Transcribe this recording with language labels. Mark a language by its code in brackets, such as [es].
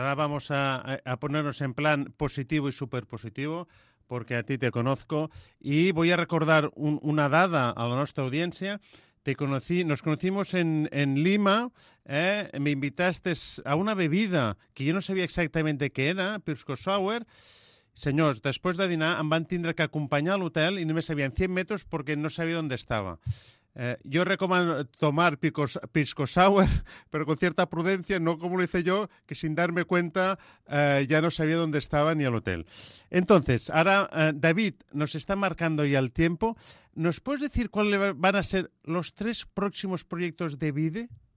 [es] Ahora vamos a ponernos en plan positivo y súper positivo, porque a ti te conozco, y voy a recordar una dada a la nuestra audiencia. Nos conocimos en Lima, me invitaste a una bebida que yo no sabía exactamente qué era, Pisco Sour. [ca] Senyors, després de dinar em van tindre que acompanyar a l'hotel i només sabien 100 metres perquè no sabia on estava. [es] Yo recomiendo tomar pisco sour, pero con cierta prudencia, no como lo hice yo, que sin darme cuenta ya no sabía dónde estaba ni el hotel. Entonces, ahora David nos está marcando ya el tiempo. ¿Nos puedes decir cuáles van a ser los 3 próximos proyectos de Vide?